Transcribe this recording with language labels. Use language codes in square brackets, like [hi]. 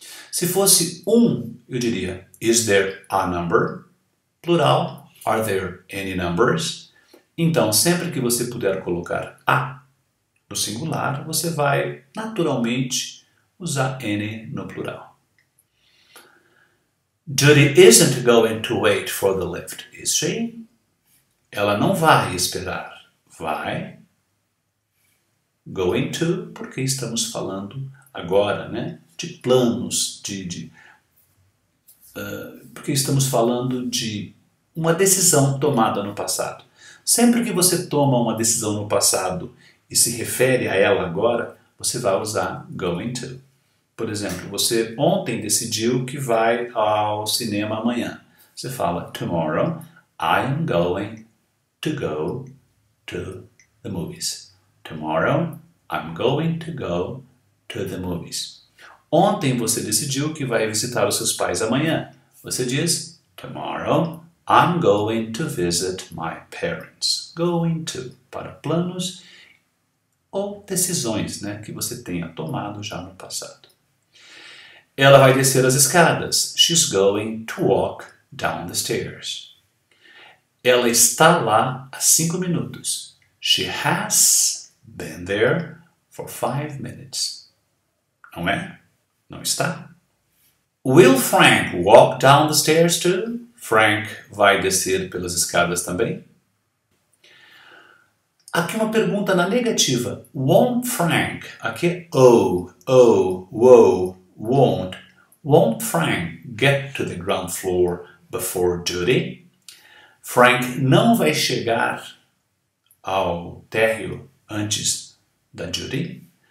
[pt] Se fosse um, eu diria [en] is there a number? [pt] Plural, [en] are there any numbers? [pt] Então, sempre que você puder colocar a no singular, você vai naturalmente usar n no plural. [en] Judy isn't going to wait for the lift, is she? [pt] Ela não vai esperar. Vai. Going to, porque estamos falando agora, né? De planos, porque estamos falando de uma decisão tomada no passado. Sempre que você toma uma decisão no passado e se refere a ela agora, você vai usar going to. Por exemplo, você ontem decidiu que vai ao cinema amanhã. Você fala, [en] tomorrow I'm going to go to the movies. Tomorrow I'm going to go to the movies. [pt] Ontem você decidiu que vai visitar os seus pais amanhã. Você diz, [en] tomorrow I'm going to visit my parents. [pt] Going to, para planos ou decisões, né, que você tenha tomado já no passado. Ela vai descer as escadas. [en] She's going to walk down the stairs. [pt] Ela está lá há 5 minutos. [en] She has been there for 5 minutes. [pt] Não é? Não está? [en] Will Frank walk down the stairs too? [pt] Frank vai descer pelas escadas também? Aqui uma pergunta na negativa. [en] Won't Frank? [pt] Aqui é oh, won't. [en] Won't Frank get to the ground floor before duty? [pt] Frank não vai chegar ao térreo antes da duty?